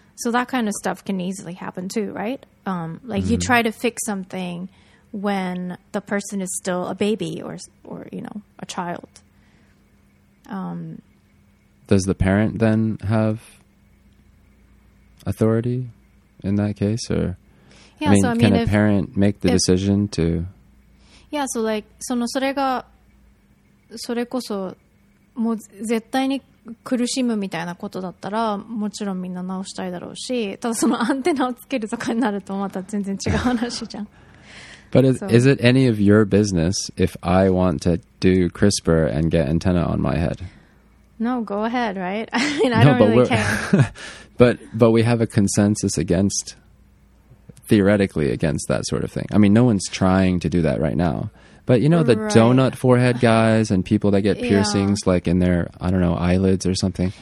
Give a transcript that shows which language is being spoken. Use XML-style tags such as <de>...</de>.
<en>So that kind of stuff can easily happen too, right? You try to fix something when the person is still a baby or you know, a child. Does the parent then have authority in that case? Or, yeah, can a parent make the decision to...</en> <ja>いや、そう、like、そのそれがそれこそもう絶対に苦しむみたいなことだったらもちろんみんな直したいだろうし、ただそのアンテナをつけるとかになるとまた全然違う話じゃん。</ja> <en>But is it any of your business if I want to do CRISPR and get antenna on my head? No, go ahead, right? I don't really care. but we have a consensus against. Theoretically against that sort of thing. I mean, no one's trying to do that right now. But, you know, the donut forehead guys and people that get piercings, like, in their, I don't know, eyelids or something.</en>